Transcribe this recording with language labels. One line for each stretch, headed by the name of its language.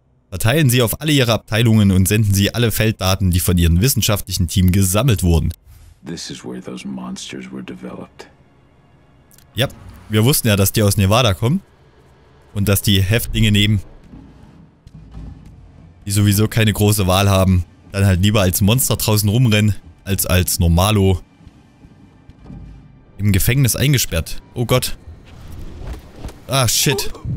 German: Verteilen Sie auf alle Ihre Abteilungen und senden Sie alle Felddaten, die von Ihrem wissenschaftlichen Team gesammelt wurden.
English: This is where those monsters were developed.
German: Ja, wir wussten ja, dass die aus Nevada kommen und dass die Häftlinge nehmen, die sowieso keine große Wahl haben, dann halt lieber als Monster draußen rumrennen, als Normalo im Gefängnis eingesperrt. Oh Gott.
English: Ah, shit.